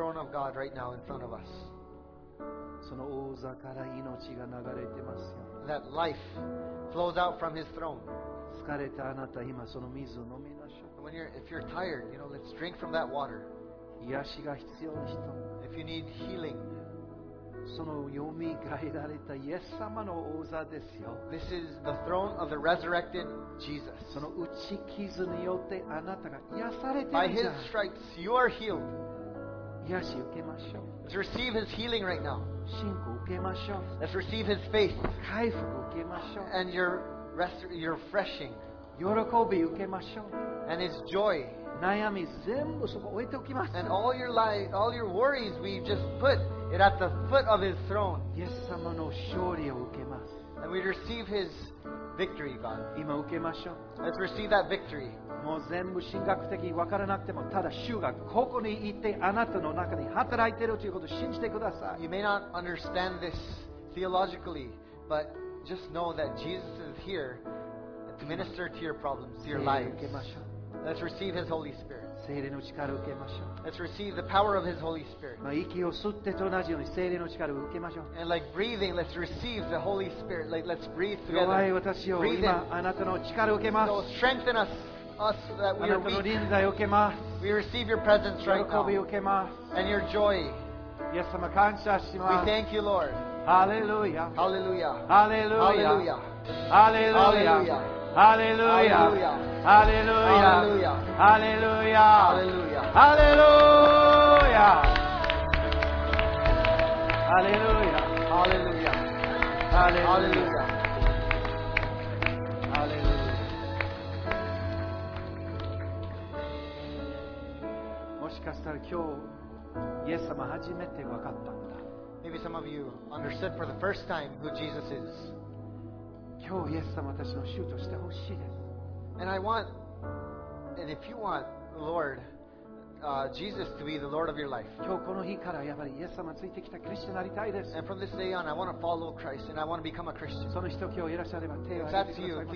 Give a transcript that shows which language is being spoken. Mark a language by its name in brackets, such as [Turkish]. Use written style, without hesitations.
[Japanese] その王座から命が流れてますよ。 [English] That life flows out from his throne. [Japanese] 疲れたあなた今その水を飲みましょう。 [English] When you're, if you're tired, you know, let's drink from that water. [Japanese] 癒しが必要な人。 [English] If you need healing. [Japanese] その蘇られたイエス様の王座ですよ。 [English] This is the throne of the resurrected Jesus. [Japanese] その打ち傷によってあなたが癒されてるじゃん。 [English] By his stripes you are healed. [Japanese] 癒し受けましょう。 [English] Let's receive his healing right now. [Japanese] 信仰受けましょう。 [English] Let's receive his faith. [Japanese] 回復受けましょう。 [English] And your rest, your refreshing. [Japanese] 喜び受けましょう。 [English] And his joy. [Japanese] 悩み全部そこ置いておきます。 [English] And all your life, all your worries, we just put And at the foot of his throne, [Japanese] イエス様の勝利を受けます。 [English] And we receive his victory, God. [Japanese] 今受けましょう。 [English] Let's receive that victory. [Japanese] もう全部神学的に分からなくても、ただ主がここにいてあなたの中に働いているということを信じてください。 [English] You may not understand this theologically, but just know that Jesus is here to minister to your problems, to your lives. Let's receive his Holy Spirit. [Japanese] 聖霊の力を受けましょう。 [English] Let's receive the power of his Holy Spirit. [Japanese] 息を吸ってと同じように聖霊の力を受けましょう。 [English] And like breathing, let's receive the Holy Spirit. Like, let's breathe together. [Japanese] 弱い私を今あなたの力を受けます。 [English] So strengthen us, us that we are weak. [Japanese] あなたの臨在を受けます。 [English] We receive your presence right now. [Japanese] 喜びを受けます。 [English] And your joy. [Japanese] イエス様感謝します。 [English] We thank you, Lord. Hallelujah. Hallelujah. Hallelujah. Hallelujah. Hallelujah. Hallelujah. Hallelujah. Hallelujah. Hallelujah. Hallelujah. Hallelujah. Hallelujah. Maybe some of you understood for the first time who Jesus is. [Japanese] 今日イエス様私の主としてほしいです。 [English] And I want, and if you want the Lord, Jesus to be the Lord of your life. [Japanese] 今日この日からやっぱりイエス様ついてきたクリスチャンになりたいです。 [English] And from this day on, I want to follow Christ and I want to become a Christian. [Japanese] その人今日いらっしゃれば手を挙げてください。